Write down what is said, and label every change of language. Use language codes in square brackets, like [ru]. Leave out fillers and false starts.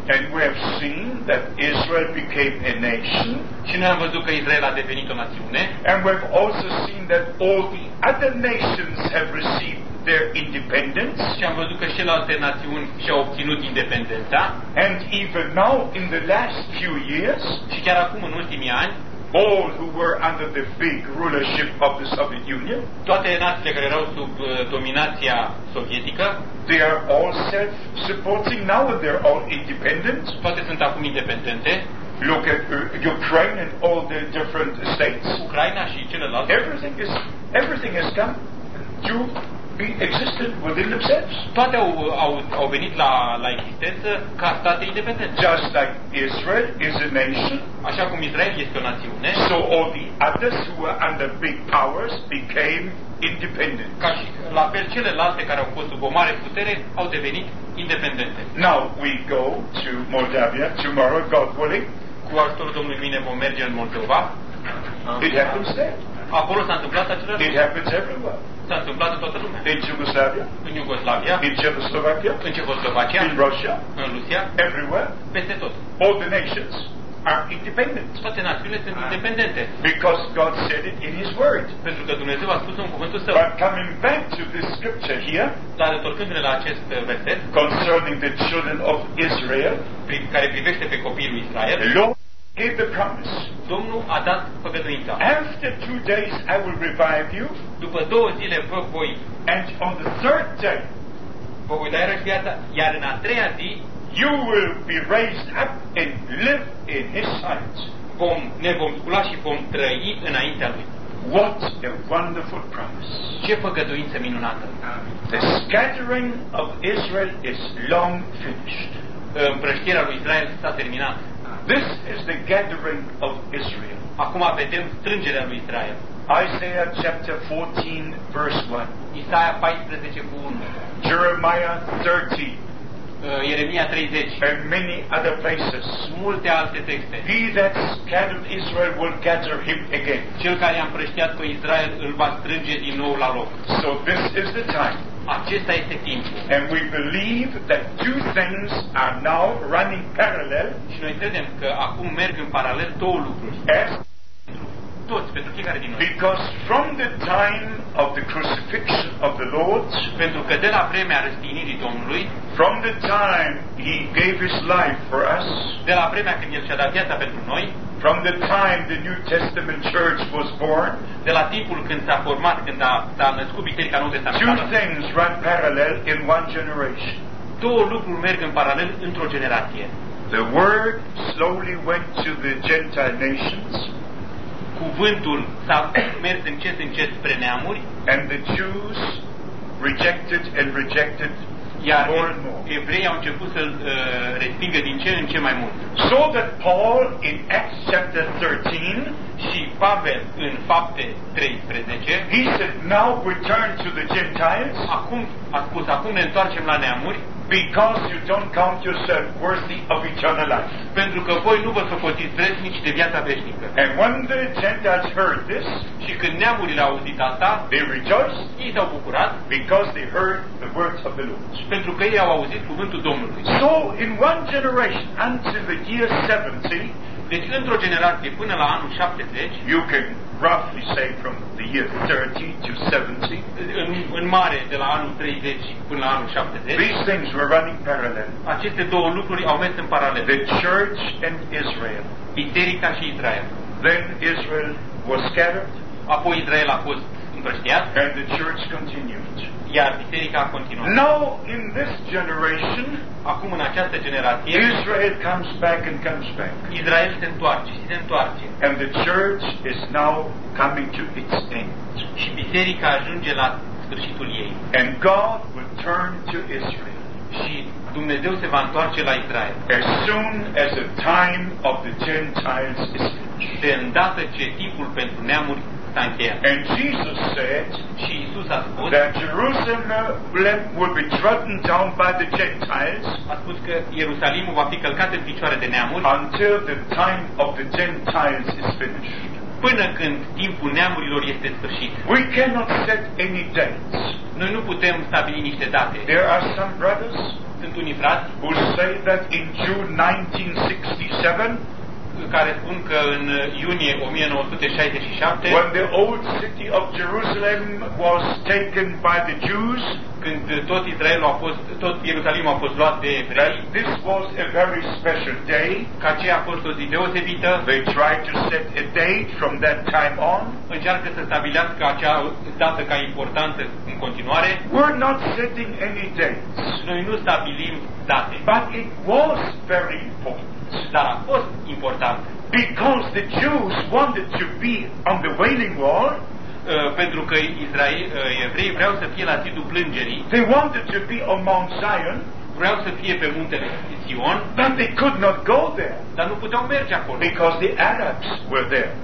[en] And we have seen that Israel became a nation. [ro] Și noi am văzut că Israel a devenit o națiune. [en] And we have also seen that all the other nations have received their independence. [ro] Și am văzut că și celelalte națiuni și-au obținut independența. [en] And even now in the last few years, [ro] și chiar acum în ultimii ani, [en] all who were under the big rulership of the Soviet Union, [ro] toate națiile care erau sub dominația sovietică, [en] they are all self-supporting now and they're all independent. [ro] Toate sunt acum independente. [en] Look at Ukraine and all the different states. [ro] Ucraina și celelalte. [en] Everything has come to be existent within themselves. [ro] Toate au venit la existență ca state independente. [en] Just like Israel is a nation. [ro] Așa cum Israel este o națiune. [en] So all the others who were under big powers became independent. [ro] Ca și la fel celelalte care au fost sub o mare putere au devenit independente. [en] Now we go to Moldavia tomorrow, God willing. [ro] Cu ajutorul Domnului mine vom merge în Moldova. [en] It happens there. [ro] Acolo s-a întâmplat acela lucru. [en] It happens everywhere. [ro] S-a întâmplat în toată lumea. [en] In Yugoslavia. [ro] În Iugoslavia. [en] In Czechoslovakia. [ro] În Cehoslovacia. [en] In Russia. [ro] În Rusia. [en] Everywhere. [ro] Peste tot. [en] All the nations. are independent. [ro] Toate națiunile sunt independente. [en] Because God said it in His Word. [ro] Pentru că Dumnezeu a spus-o în cuvântul Său. [en] But coming back to this scripture here, [ro] dar întorcându-ne la acest verset, [en] concerning the children of Israel, [ro] care privește pe copiii lui Israel, [en] gave the promise. [ro] Domnul a dat făgăduința. [en] After 2 days I will revive you. [ro] După două zile vă voi. [en] And on the third day, [ro] vă voi da iarăși viața. Iar în a treia zi, [en] you will be raised up and live in His sight. [ro] Vom, ne vom scula și vom trăi înaintea Lui. [en] What a wonderful promise. [ro] Ce făgăduință minunată. [en] The scattering of Israel is long finished. [ro] Împrăștirea lui Israel s-a terminat. [en] This is the gathering of Israel. [ro] Acum vedem strângerea lui Israel. [en] Isaiah chapter 14 verse 1. [ro] Isaia 14:1. [en] Jeremiah 30. [ro] Ieremia 30. [en] And many other places. [ro] Multe alte texte. [en] He that scattered Israel will gather him again. [ro] Cel care a împrăștiat pe Israel îl va strânge din nou la loc. [en] So this is the time. [ro] Acesta este timpul. [en] And we believe that two things are now running parallel. [ro] Și noi credem că acum merg în paralel două lucruri. [en] As [ro] toți, pentru fiecare din noi. [en] Because from the time of the crucifixion of the Lord, [ro] pentru că de la vremea răstignirii Domnului, [en] from the time He gave His life for us, [ro] de la vremea când El și-a dat viața pentru noi, [en] from the time the New Testament Church was born, [ro] de la timpul când s-a format, când s-a născut Biserica Nouă Testamentală, [en] two things run parallel in one generation. [ro] Două lucruri merg în paralel într-o generație. [en] The word slowly went to the Gentile nations. [ro] Cuvântul s-a mers încet încet spre neamuri. [en] And the Jews rejected and rejected [ro] iar [en] more and more. [ro] Evreii au început să-l respingă din ce în ce mai mult. [en] So that Paul in Acts chapter 13, [ro] și Pavel în Fapte 13, [en] he said, now return to the Gentiles. [ro] Acum a spus, acum ne întoarcem la neamuri. [en] Because you don't count yourself worthy of eternal life. [ro] Pentru că voi nu vă socotiți vrednici de viața veșnică. [en] And when the Gentiles heard this, [ro] și când neamurile au auzit asta, [en] they rejoiced, [ro] ei s-au bucurat, [en] because they heard the words of the Lord. [ro] Pentru că ei au auzit cuvântul Domnului. [en] So in one generation until the year 70, [ro] deci într-o generație până la anul 70, [en] you can roughly say from the year 30 to 70, [ro] în mare de la anul 30 până la anul 70, [en] these things were running parallel. [ro] Aceste două lucruri au mers în paralel. [en] The church and Israel. [ro] Biserica și Israel. [en] Then Israel was scattered. [ro] Apoi Israel a fost împrăștiat. [en] And the church continued. [ro] Iar biserica a continuat. [en] Now in this generation, [ro] acum în această generație, [en] Israel comes back and comes back. [ro] Israel se întoarce și se întoarce. [en] And the church is now coming to its end. [ro] Și biserica ajunge la sfârșitul ei. [en] And God will turn to Israel. [ro] Și Dumnezeu se va întoarce la Israel. [en] As soon as the time of the Gentiles is finished. [ro] De îndată ce timpul pentru neamuri. [en] And Jesus said, [ro] și Isus a spus, [en] that Jerusalem will be trodden down by the Gentiles, [ro] a spus că Ierusalimul va fi călcat în picioare de neamuri, [en] until the time of the Gentiles is finished. [ro] Până când timpul neamurilor este sfârșit. [en] We cannot set any dates. [ro] Noi nu putem stabili niște date. [en] There are some brothers, [ro] sunt unii frați, [en] who say that in June 1967, [ro] care spun că în iunie 1967, [en] when the old city of Jerusalem was taken by the Jews, [ro] când tot Israelul a fost, tot Ierusalimul a fost luat de evrei, [en] this was a very special day, [ro] că aceea a fost o zi deosebită. [en] They tried to set a date from that time on, [ro] încearcă să stabilească acea dată ca importantă în continuare. [en] We're not setting any dates. [ro] Noi nu stabilim date. [en] But it was very important. [ro] Dar a fost important. [en] Because the Jews wanted to be on the Wailing Wall, [ro] pentru că evreii vreau să fie la zidul plângerii. [en] They wanted to be on Mount Zion, [ro] vreau să fie pe muntele Sion. [en] But they could not go there, [ro] dar nu puteau merge acolo. [en] Because the Arabs were there,